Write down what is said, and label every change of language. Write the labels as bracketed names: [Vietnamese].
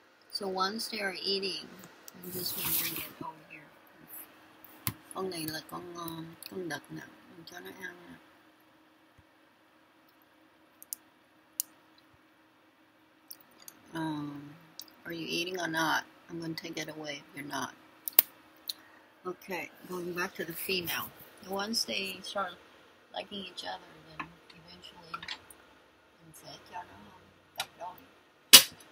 [English] So once they are eating, I'm just going to bring it over here. [Vietnamese] Con này là con đực nè, mình cho nó ăn nè. [English] Are you eating or not? I'm going to take it away if you're not. Okay, going back to the female. Once they start liking each other, then eventually, that's it. Y'all know how that goes.